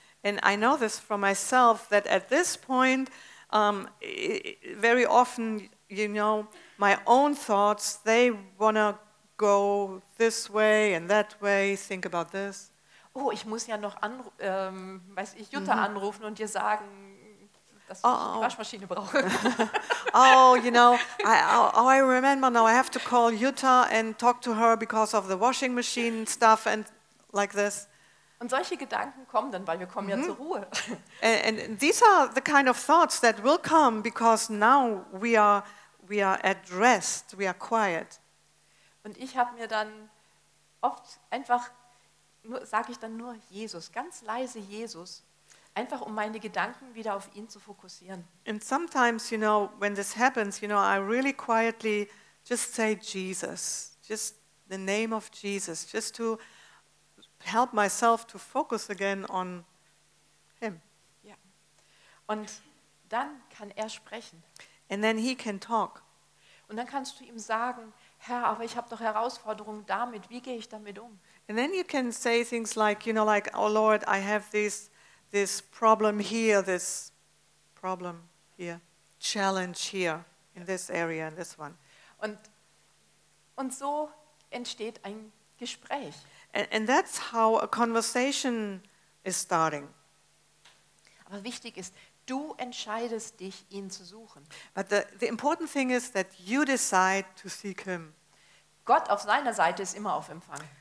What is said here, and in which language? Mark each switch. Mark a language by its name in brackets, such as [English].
[English] And I know this from myself that at this point very often, you know, my own thoughts, they wanna go this way and that way, think about this. [German] Oh, ich muss ja noch Jutta anrufen und dir sagen, dass ich die Waschmaschine brauche. [English] Oh, you know, I remember now I have to call Jutta and talk to her because of the washing machine stuff and like this. [German] Und solche Gedanken kommen dann, weil wir kommen ja zur Ruhe. [English] And these are the kind of thoughts that will come because now we are at rest, we are quiet. [German] Und ich habe mir dann oft einfach, sage ich dann nur Jesus, ganz leise Jesus, einfach um meine Gedanken wieder auf ihn zu fokussieren. [English] And sometimes, you know, when this happens, you know, I really quietly just say Jesus, just the name of Jesus, just to help myself to focus again on him. [German] Ja. Und dann kann er sprechen. [English] And then he can talk. [German] Und dann kannst du ihm sagen, Herr, aber ich habe doch Herausforderungen damit. Wie gehe ich damit um? [English] And then you can say things like, you know, like, oh Lord, I have this problem here, challenge here, in this area, in this one. [German] Und so entsteht ein Gespräch. [English] And that's how a conversation is starting. [German] Aber wichtig ist, du entscheidest dich, ihn zu suchen. [English] But the important thing is that you decide to seek him. [German] Gott auf seiner Seite ist immer auf Empfang.